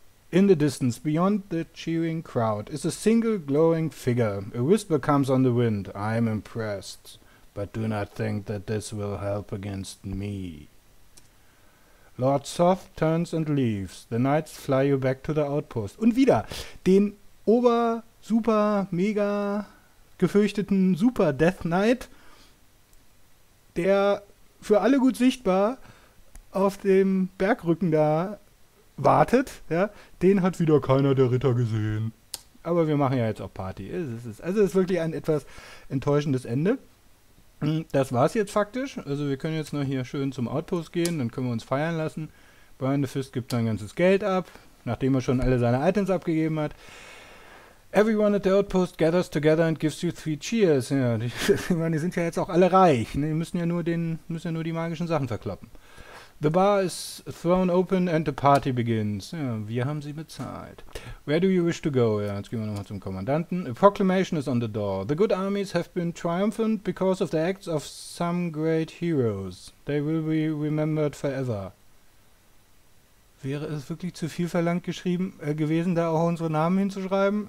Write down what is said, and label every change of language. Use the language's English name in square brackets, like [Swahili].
[English] In the distance beyond the cheering crowd is a single glowing figure. A whisper comes on the wind. I am impressed, but do not think that this will help against me. Lord Soth turns and leaves. The knights fly you back to the outpost. [German] Und wieder den ober-super-mega-gefürchteten Super-Death-Knight, der für alle gut sichtbar auf dem Bergrücken da wartet. Ja, den hat wieder keiner der Ritter gesehen. Aber wir machen ja jetzt auch Party. Also es ist wirklich ein etwas enttäuschendes Ende. Das war's jetzt faktisch. Also wir können jetzt noch hier schön zum Outpost gehen, dann können wir uns feiern lassen. Brian the Fist gibt sein ganzes Geld ab, nachdem er schon alle seine Items abgegeben hat. [English] Everyone at the Outpost gathers together and gives you three cheers. [German] Ja, ich meine, die sind ja jetzt auch alle reich. Die müssen ja nur die magischen Sachen verkloppen. [English] The bar is thrown open and the party begins. [German] Ja, wir haben sie bezahlt. [English] Where do you wish to go? [German] Ja, jetzt gehen wir nochmal zum Kommandanten. [English] A proclamation is on the door. The good armies have been triumphant because of the acts of some great heroes. They will be remembered forever. [German] Wäre es wirklich zu viel verlangt geschrieben, gewesen, da auch unsere Namen hinzuschreiben?